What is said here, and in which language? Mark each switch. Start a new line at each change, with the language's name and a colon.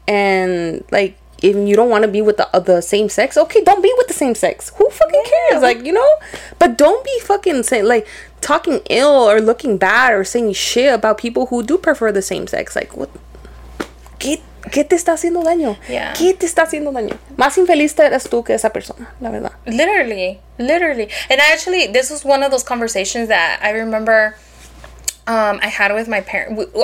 English: And, like, if you don't want to be with the same sex, okay, don't be with the same sex. Who fucking cares? Like, you know? But don't be fucking saying, like, talking ill or looking bad or saying shit about people who do prefer the same sex. Like, what?
Spanish: ¿Qué te está haciendo daño?
English: Yeah.
Spanish: ¿Qué te está haciendo daño? Más infeliz eres tú que esa persona, la verdad.
English: Literally. And actually, this was one of those conversations that I remember I had with my parents.